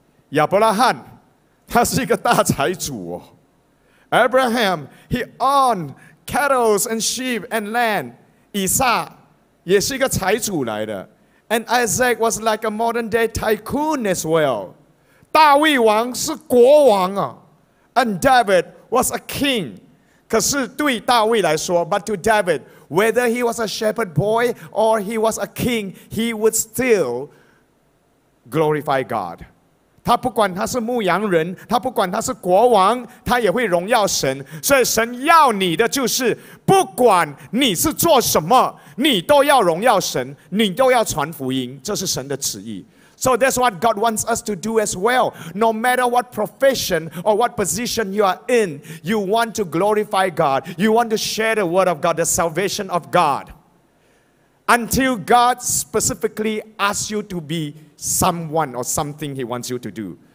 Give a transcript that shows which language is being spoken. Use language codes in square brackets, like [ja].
[zh] 亚伯拉罕, 他是一个大财主哦。 [en] Abraham, he owned cattle and sheep and land. [zh] 以撒, 也是一个财主来的。 [en] And Isaac was like a modern day tycoon as well. [zh] 大卫王是国王啊, [en] and David was a king. [zh] 可是对大卫来说, [en] but to David, whether he was a shepherd boy or he was a king, he would still glorify God. [zh] 他不管他是牧羊人, 他不管他是国王, 他也会荣耀神。所以神要你的就是, 不管你是做什么, 你都要荣耀神, 你都要传福音, 这是神的旨意。 [en] So that's what God wants us to do as well. No matter what profession or what position you are in, you want to glorify God. You want to share the word of God, the salvation of God. Until God specifically asks you to be someone or something he wants you to do.